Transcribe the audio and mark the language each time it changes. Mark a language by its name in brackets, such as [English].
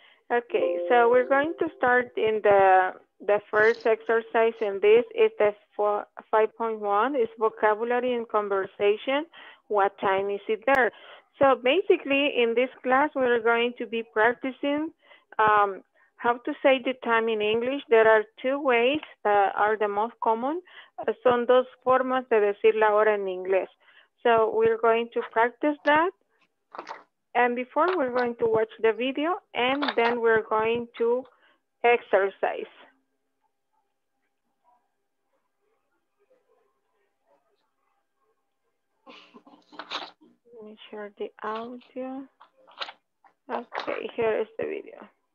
[English] Okay, so we're going to start in the first exercise, and this is the 5.1, is vocabulary and conversation. What time is it there? So basically in this class, we're going to be practicing how to say the time in English. There are two ways that are the most common. [Spanish] Son dos formas de decir la hora en inglés. [English] So we're going to practice that. And before, we're going to watch the video, and then we're going to exercise. Let me share the audio. Okay, here is the video.